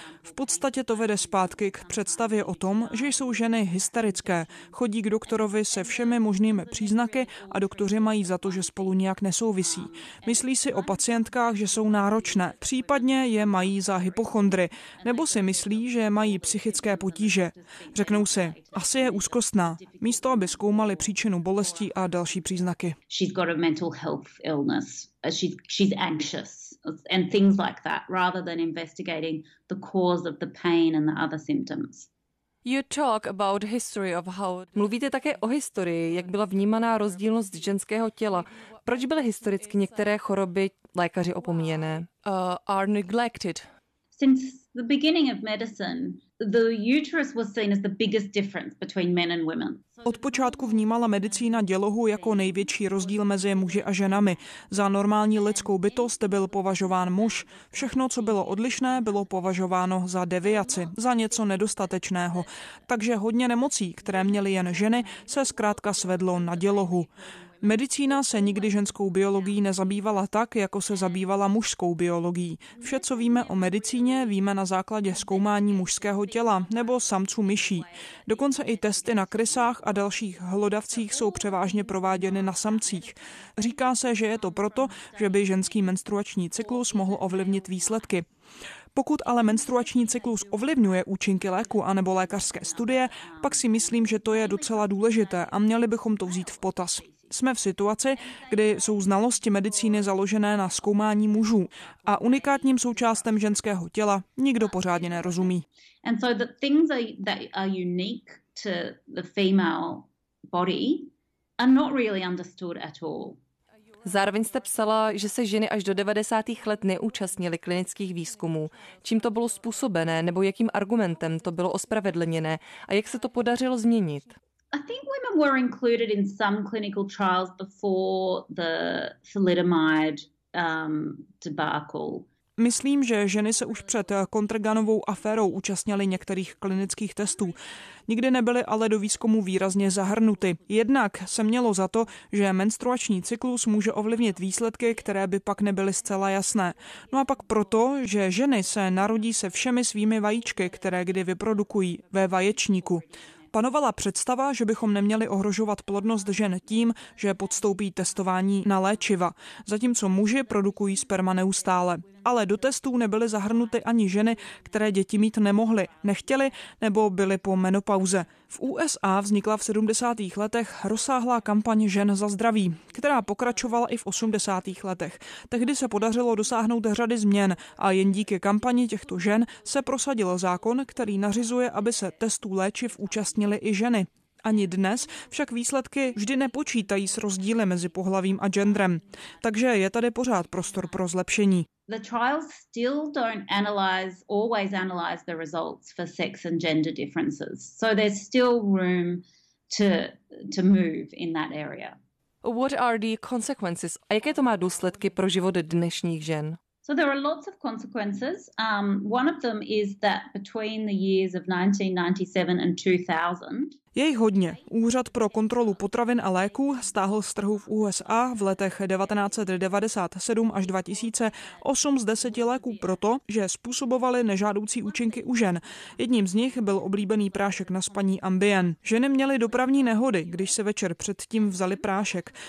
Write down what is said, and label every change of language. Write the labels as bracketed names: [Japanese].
[Czech] V podstatě to vede zpátky k představě o tom, že jsou ženy hysterické, chodí k doktorovi se všemi možnými příznaky a doktoři mají za to, že spolu nějak nesouvisí. Myslí si o pacientkách, že jsou náročné, případně je mají za hypochondry, nebo si myslí, že mají psychické potíže. Řeknou si, asi je úzkostná, místo aby zkoumali příčinu bolestí a další příznaky. [English] She's got a mental health illness. She's anxious and things like that, rather than investigating the cause of the pain and the other symptoms. You talk about history of how... [Czech] Mluvíte také o historii, jak byla vnímaná rozdílnost ženského těla. Proč byly historicky některé choroby lékaři opomíjené? [English] Are neglected. Since the beginning of medicine, the uterus was seen as the biggest difference between men and women. [Czech] Od počátku vnímala medicína dělohu jako největší rozdíl mezi muži a ženami. Za normální lidskou bytost byl považován muž. Všechno, co bylo odlišné, bylo považováno za deviaci, za něco nedostatečného. Takže hodně nemocí, které měly jen ženy, se zkrátka svedlo na dělohu. Medicína se nikdy ženskou biologií nezabývala tak, jako se zabývala mužskou biologií. Vše, co víme o medicíně, víme na základě zkoumání mužského těla nebo samců myší. Dokonce i testy na krysách a dalších hlodavcích jsou převážně prováděny na samcích. Říká se, že je to proto, že by ženský menstruační cyklus mohl ovlivnit výsledky. Pokud ale menstruační cyklus ovlivňuje účinky léku anebo lékařské studie, pak si myslím, že to je docela důležité a měli bychom to vzít v potaz. Jsme v situaci, kdy jsou znalosti medicíny založené na zkoumání mužů a unikátním součástem ženského těla nikdo pořádně nerozumí. [English] And so the things that are unique to the female body are not really understood at all. [Czech] Zároveň jste psala, že se ženy až do 90. let neúčastnily klinických výzkumů. Čím to bylo způsobené nebo jakým argumentem to bylo ospravedlněné a jak se to podařilo změnit? [English] I think women were included in some clinical trials before the thalidomide debacle. [Czech] Myslím, že ženy se už před Contraganovou aférou účastnily některých klinických testů. Nikdy nebyly ale do výzkumu výrazně zahrnuty. Jednak se mělo za to, že menstruační cyklus může ovlivnit výsledky, které by pak nebyly zcela jasné. No a pak proto, že ženy se narodí se všemi svými vajíčky, které kdy vyprodukují ve vaječníku. Panovala představa, že bychom neměli ohrožovat plodnost žen tím, že podstoupí testování na léčiva, zatímco muži produkují sperma neustále. Ale do testů nebyly zahrnuty ani ženy, které děti mít nemohly, nechtěly nebo byly po menopauze. V USA vznikla v 70. letech rozsáhlá kampaň Žen za zdraví, která pokračovala i v 80. letech. Tehdy se podařilo dosáhnout řady změn a jen díky kampani těchto žen se prosadil zákon, který nařizuje, aby se testů léčiv účastnily i ženy. Ani dnes však výsledky vždy nepočítají s rozdíly mezi pohlavím a genderem. Takže je tady pořád prostor pro zlepšení. [English] The trials still don't always analyze the results for sex and gender differences. So there's still room to move in that area. What are the consequences? [Czech] A jaké to má důsledky pro život dnešních žen? [English] So there are lots of consequences. One of them is that between the years of 1997 and 2000. [Czech] Je jich hodně. Úřad pro kontrolu potravin a léků stáhl z trhu v USA v letech 1997 až 2000 8 z 10 léků proto, že způsobovaly nežádoucí účinky u žen. Jedním z nich byl oblíbený prášek na spaní Ambien. Ženy měly dopravní nehody, když se večer předtím vzali prášek.